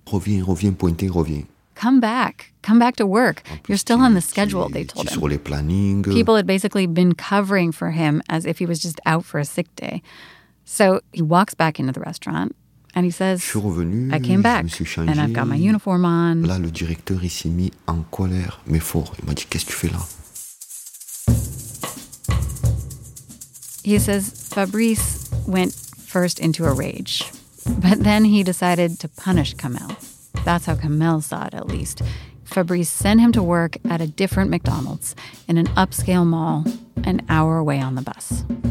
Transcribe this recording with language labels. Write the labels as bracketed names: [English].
[French] Reviens, reviens, pointé, reviens. [English] Come back. Come back to work. You're still on the schedule, they told him. People had basically been covering for him as if he was just out for a sick day. So he walks back into the restaurant, and he says, I came back, and I've got my uniform on. [French] Là, le directeur, il s'est mis en colère, mais fort. Il m'a dit, qu'est-ce que tu fais là? [English] He says Fabrice went first into a rage, but then he decided to punish Kamel. That's how Kamel saw it, at least. Fabrice sent him to work at a different McDonald's in an upscale mall an hour away on the bus.